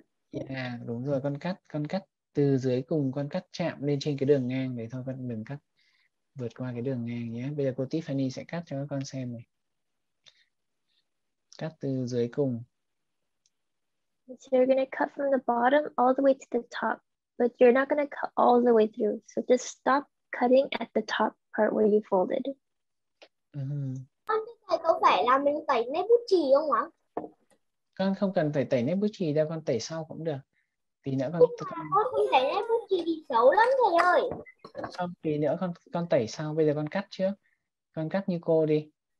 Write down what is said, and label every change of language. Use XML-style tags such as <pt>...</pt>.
<vi>Yeah, đúng rồi, con cắt từ dưới cùng, con cắt chạm lên trên cái đường ngang đấy thôi, con đừng cắt vượt qua cái đường ngang nhé. Bây giờ cô Tiffany sẽ cắt cho các con xem này. Cắt từ dưới cùng.</vi> <en>So you're gonna cut from the bottom all the way to the top, but you're not gonna cut all the way through. So just stop cutting at the top part where you folded.</en> <vi>Con như vậy có phải là mình tẩy nét bút chì không ạ? Con không cần phải tẩy nét bút chì đâu, con tẩy sau cũng được. Tí nữa con. Con không tẩy nét bút chì thì xấu lắm thầy ơi. Xong tí nữa con tẩy sau, bây giờ con cắt trước. Con cắt như cô đi.</vi>